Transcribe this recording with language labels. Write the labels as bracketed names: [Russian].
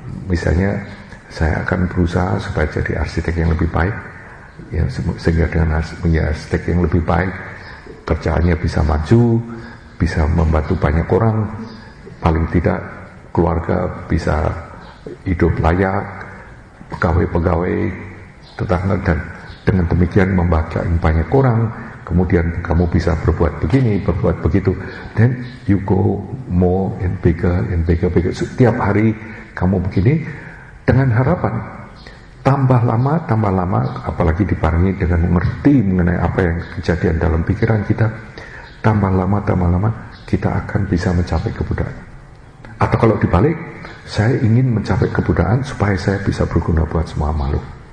[Indonesian] misalnya saya akan berusaha supaya jadi arsitek yang lebih baik, ya, sehingga dengan punya arsitek yang lebih baik, kerjaannya bisa maju, bisa membantu banyak orang, paling tidak keluarga bisa hidup layak, pegawai-pegawai, tetangga, dan dengan demikian membahagiakan banyak orang. Kemudian kamu bisa berbuat begini, berbuat begitu. [English] Then you go more and bigger, bigger. [Indonesian] Setiap hari kamu begini dengan harapan. Tambah lama, apalagi dibarengi dengan mengerti mengenai apa yang kejadian dalam pikiran kita. Tambah lama, kita akan bisa mencapai kebudayaan. Atau kalau dibalik, saya ingin mencapai kebudayaan supaya saya bisa berguna buat semua makhluk.